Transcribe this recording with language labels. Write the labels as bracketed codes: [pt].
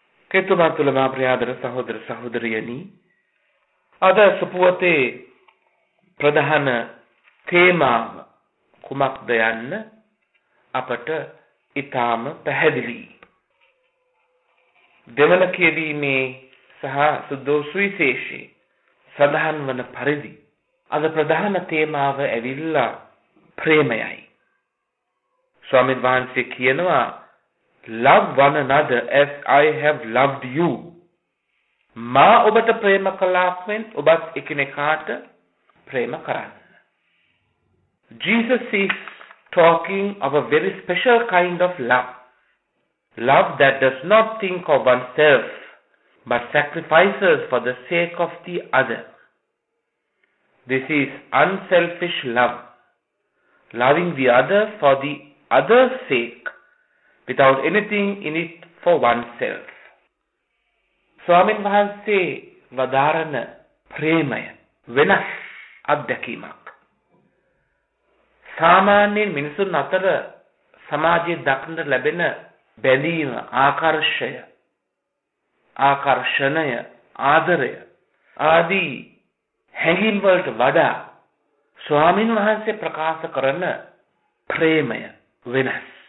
[si] කෙතුමන් තුළ මා ප්‍රියාදර සහෝදර සහෝදරියනි, අද සුපුවතේ ප්‍රධාන තේමාව කුමක්ද යන්න අපට ඉතාම පැහැදිලියි. දෙවන කියවීමේ සහ සුද්දෝසුවිශේෂයේ සඳහන් වන පරිදි අද ප්‍රධාන තේමාව ඇවිල්ලා ප්‍රේමයයි. ස්වාමීන් වහන්සේ කියනවා, [en] "Love one another as I have loved you." [si] මා ඔබට ප්‍රේම කළාක් මෙන් ඔබත් එකිනෙකාට ප්‍රේම කරන්න. [en] Jesus is talking of a very special kind of love. Love that does not think of oneself but sacrifices for the sake of the other. This is unselfish love. Loving the other for the other's sake without anything in it for oneself. [si] ස්වාමීන් වහන්සේ වදාරන ප්‍රේමය වෙනස් අත්දැකීමක්. සාමාන්‍යයෙන් මිනිසුන් අතර සමාජයේ දක්නට ලැබෙන බැඳීම, ආකර්ෂය, ආකර්ෂණය, ආදරය ආදී හැඟීම් වලට වඩා ස්වාමීන් වහන්සේ ප්‍රකාශ කරන ප්‍රේමය වෙනස්.